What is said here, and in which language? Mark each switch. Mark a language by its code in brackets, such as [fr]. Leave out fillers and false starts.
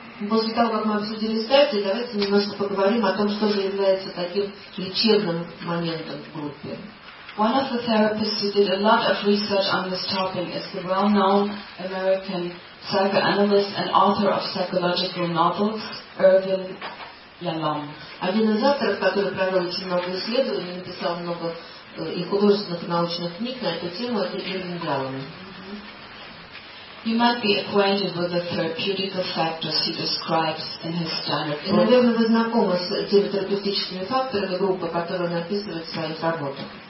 [ru] После того, как мы обсудили стадии, давайте немножко поговорим о том, что же является таким лечебным моментом в группе. [en] One of the therapists who did a lot of research on this topic is the well-known American psychoanalyst and author of psychological novels, Irvin Yalom. [ru] Один из авторов, который провел очень много исследований, написал много и художественных, и научных книг на эту тему, это Ирвин Ялом. [en] You might be acquainted with the therapeutic factors he describes in his standard book. [ru] Наверное, вы знакомы с теми терапевтическими факторами группы, которые он описывает в своих работах.